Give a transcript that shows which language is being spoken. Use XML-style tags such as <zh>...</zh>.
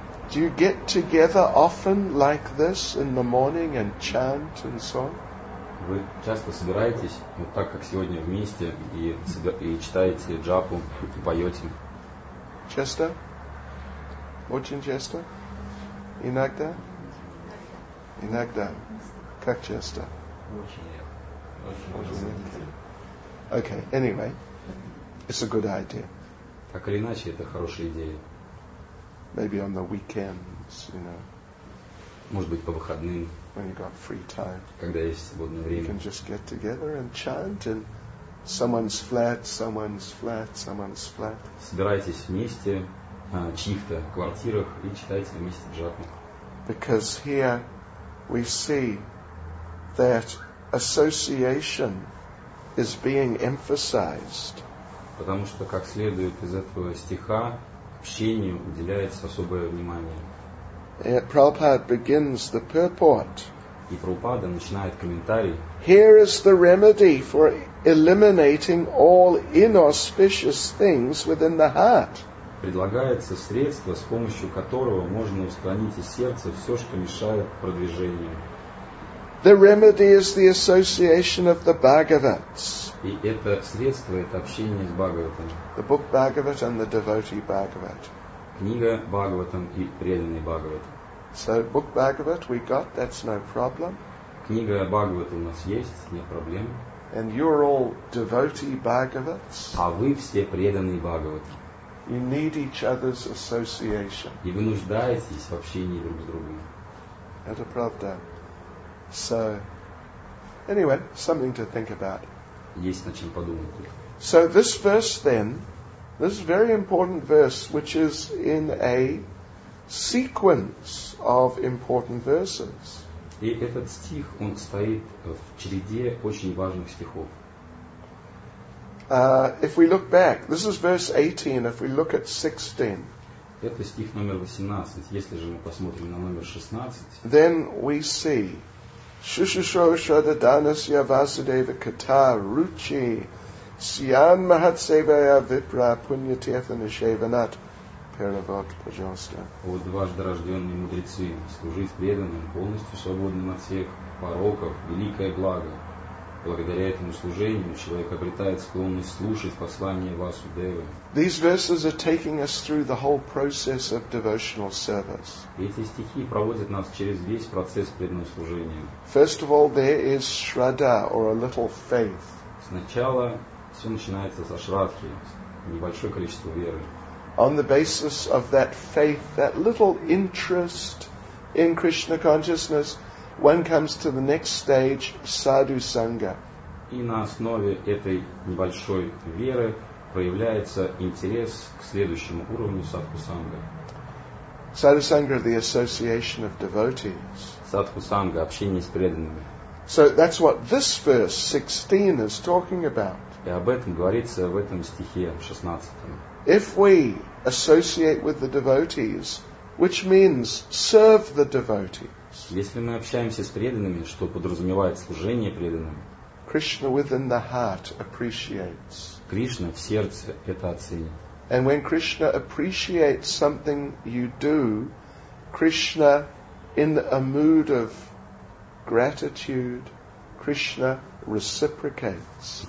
<en>Do you get together often like this in the morning and chant and song?</en> <ru>Вы часто собираетесь, вот так как сегодня вместе, и читаете джапу, и поете? Часто? Очень часто? Иногда? Иногда. Как часто? Очень редко.</ru> <en>Okay, anyway, it's a good idea.</en> <ru>Так или иначе, это хорошая идея.</ru> <en>Maybe on the weekends, you know.</en> <ru>Может быть, по выходным.</ru> <en>When you got free time.</en> <ru>Когда есть свободное время.</ru> <en>You can just get together and chant in someone's flat, someone's flat, someone's flat.</en> <ru>Собирайтесь вместе в чьих-то квартирах и читайте вместе джапу.</ru> <en>Because here we see that association is being emphasized.</en> <ru>Потому что, как следует из этого стиха, общению уделяется особое внимание.</ru> <en>Prabhupada begins the purport.</en> <ru>И Прабхупада начинает комментарий.</ru> <en>Here is the remedy for eliminating all inauspicious things within the heart.</en> <ru>Предлагается средство, с помощью которого можно устранить из сердца все, что мешает продвижению.</ru> <en>The remedy is the association of the Bhagavats.</en> <ru>И это средство, это общение с Бхагаватом.</ru> <en>The book Bhagavat and the devotee Bhagavat.</en> <ru>Книга Бхагаватам и преданный Бхагават.</ru> <en>So book Bhagavat we got, that's no problem.</en> <ru>Книга Бхагавата у нас есть, нет проблем.</ru> <en>And you're all devotee Bhagavats.</en> <ru>А вы все преданные Бхагаваты.</ru> <en>You need each other's association.</en> <ru>И вы нуждаетесь в общении друг с другом. Это правда.</ru> <en>So, anyway, something to think about.</en> <ru>Есть над чем подумать.</ru> <en>So this verse then, this is a very important verse, which is in a sequence of important verses.</en> <ru>И этот стих, он стоит в череде очень важных стихов.</ru> <en>If we look back, this is verse 18, if we look at 16.</en> <ru>Это стих номер 18. Если же мы посмотрим на номер 16.</ru> <en>Then we see.</en> <sa>Shushusho Shradhanasya Vasudeva Kata Ruchi Siyan Mahatsevaya Vipra Punyatiatha Nishevanat Paravat Pajasta.</sa> <ru>О, дважды рожденные мудрецы, служить преданным, полностью свободным от всех пороков, великое благо. Благодаря этому служению человек обретает склонность слушать послание Васудевы.</ru> <en>These verses are taking us through the whole process of devotional service.</en> <ru>Эти стихи проводят нас через весь процесс преданного служения.</ru> <en>First of all, there is shraddha, or a little faith.</en> <ru>Сначала все начинается со шрадхи, небольшое количество веры.</ru> <en>On the basis of that faith, that little interest in Krishna consciousness, one comes to the next stage, sadhu sangha.</en> <ru>И на основе этой небольшой веры проявляется интерес к следующему уровню садху санга.</ru> <en>Sadhu sangha, the association of devotees.</en> <ru>Садху санга, общение с преданными.</ru> <en>So that's what this verse 16 is talking about.</en> <ru>И об этом говорится в этом стихе 16.</ru> <en>If we associate with the devotees, which means serve the devotees.</en> <ru>Если мы общаемся с преданными, что подразумевает служение преданным,</ru> <en>Krishna within the heart appreciates.</en> <ru>Кришна в сердце это оценит.</ru> <en>And when Krishna appreciates something you do, Krishna, in a mood of gratitude, Krishna reciprocates.</en>